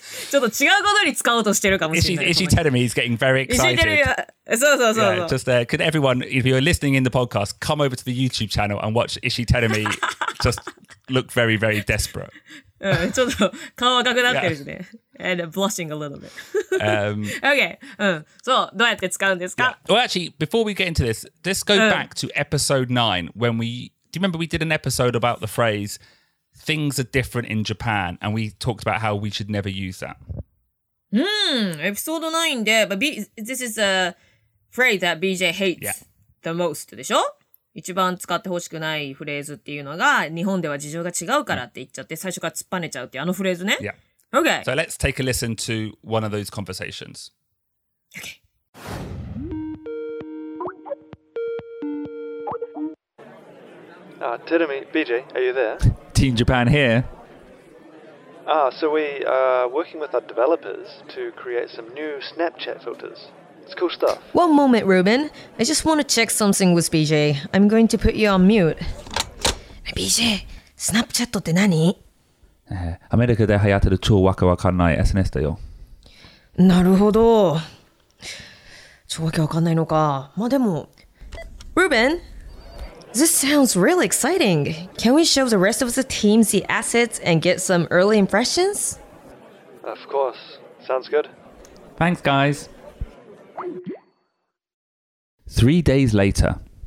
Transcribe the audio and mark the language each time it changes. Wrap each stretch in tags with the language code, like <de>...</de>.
<ja>ちょっと違うことに使おうとしてるかもしれない。</ja> <en>Is she telling me he's getting very excited?</en> <ja>そう。</ja> <en>Yeah, just could everyone, if you're listening in the podcast, come over to the YouTube channel and watch Is she telling me just look very, very desperate.</en> <ja>ちょっと顔赤くなってるしね。</ja> <en>Yeah. And blushing a little bit. okay.</en> <ja>So, どうやって使うんですか?</ja> <en>Yeah. Well, actually, before we get into this, let's go back to episode 9 when we... Do you remember we did an episode about the phrase... Things are different in Japan, and we talked about how we should never use that. Episode 9 で、this is a phrase that BJ hates、yeah. the most, でしょ?</en> <ja>一番使ってほしくないフレーズっていうのが、日本では事情が違うからって言っちゃって、最初から突っぱねちゃうっていうあのフレーズね。</ja> <en>Yeah. Okay. So let's take a listen to one of those conversations. Okay. Terumi, BJ, are you there? Team Japan here. Ah, so we are working with our developers to create some new Snapchat filters. It's cool stuff. One moment, Ruben. I just want to check something with BJ. I'm going to put you on mute.</en> <ja>Hey, BJ, Snapchat って何? アメリカで流行ってる超わけわかんない SNS だよ。なるほど。超わけわかんないのか。まあでも、</ja> <en>Ruben! This sounds really exciting. Can we show the rest of the team the assets and get some early impressions? Of course. Sounds good. Thanks, guys. 3 days later.</en>